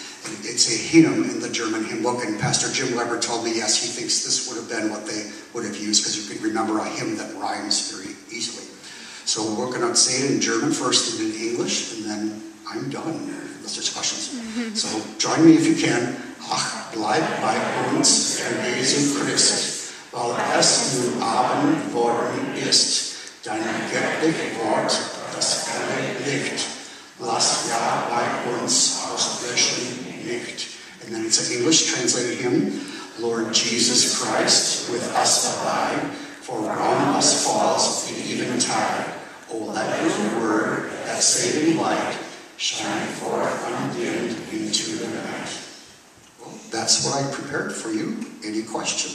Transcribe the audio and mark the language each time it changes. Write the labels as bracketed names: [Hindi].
[English] And it's a hymn in the German hymn book, and Pastor Jim Weber told me, yes, he thinks this would have been what they would have used, because you can remember a hymn that rhymes very easily. So we're going to say it in German first and in English, and then I'm done, unless there's questions. So join me if you can. [German] Ach, bleib bei uns, erlesen Christ, weil es nun Abend worden ist, dein göttlich Wort, das helle Licht, lass ja bei uns auslöschen nicht. [English] And then it's an English translated hymn. Lord Jesus Christ, with us abide, for on us falls the eventide. O let your word, that saving light, shine forth undimmed into the night. Well, that's what I prepared for you. Any questions?